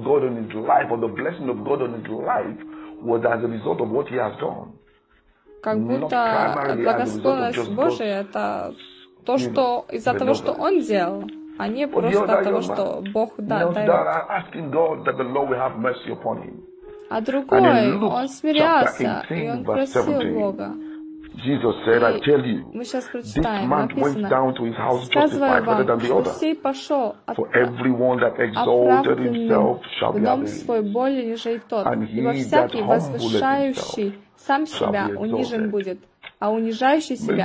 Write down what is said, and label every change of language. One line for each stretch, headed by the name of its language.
English: Was as a result of what he has done.
Russian: Как будто благосклонность Божия это то, что из-за того, что он сделал, а не просто от того, что Бог дает. А другой, он смирялся, и он просил Бога.
English: Jesus said, I tell you, this man went down to his house justified rather than the other. For everyone that exalted himself shall be abased. And he that humbled himself shall be exalted.